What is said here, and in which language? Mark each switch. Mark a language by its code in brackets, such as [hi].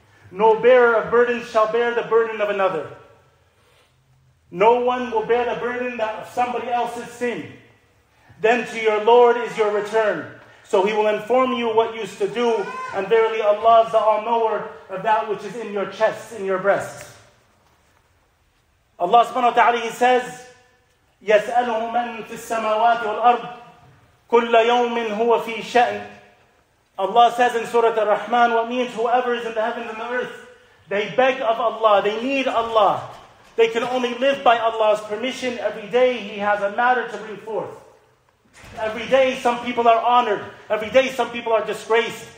[en] No bearer of burdens shall bear the burden of another. No one will bear the burden of somebody else's sin. Then to your Lord is your return. So He will inform you what you used to do. And verily Allah is the all-knower of that which is in your chest, in your breasts. Allah subhanahu wa ta'ala, He says, [ar] يَسْأَلُهُ مَنْ فِي السَّمَوَاتِ وَالْأَرْضِ كُلَّ يَوْمٍ هُوَ فِي شَأْنٍ. [en] Allah says in Surah Ar-Rahman, what means whoever is in the heavens and the earth, they beg of Allah, they need Allah. They can only live by Allah's permission. Every day He has a matter to bring forth. Every day some people are honored. Every day some people are disgraced.